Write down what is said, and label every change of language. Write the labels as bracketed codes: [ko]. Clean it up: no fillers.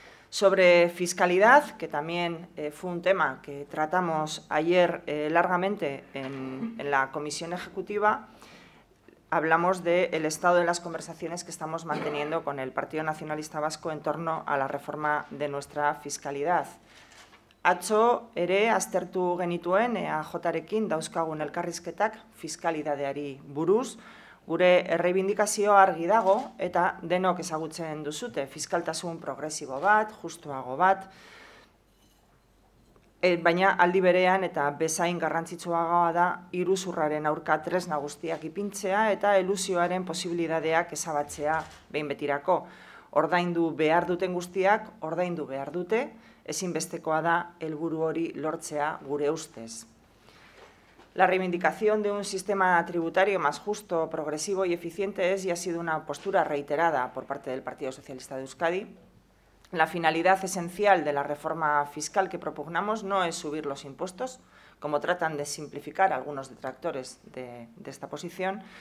[es] Sobre fiscalidad, que también fue un tema que tratamos ayer largamente en la Comisión Ejecutiva, hablamos del estado de las conversaciones que estamos manteniendo con el Partido Nacionalista Vasco en torno a la reforma de nuestra fiscalidad. [eu] Atzo ere aztertu genituen EAJ-rekin dauzkagun elkarrizketak fiskalidadeari buruz. Gure erreibindikazioa argi dago eta denok ezagutzen duzute fiskaltasun progresibo bat, justuago bat, baina aldi berean eta bezain garrantzitsuagoa da iruzurraren aurka tresna guztiak ipintzea eta elusioaren posibilidadeak ezabatzea behin betirako. Ordaindu behar duten guztiak, ordaindu behar dute, ezinbestekoa da helburu hori lortzea gure ustez. [es] La reivindicación de un sistema tributario más justo, progresivo y eficiente es y ha sido una postura reiterada por parte del Partido Socialista de Euskadi. La finalidad esencial de la reforma fiscal que propugnamos no es subir los impuestos, como tratan de simplificar algunos detractores de esta posición.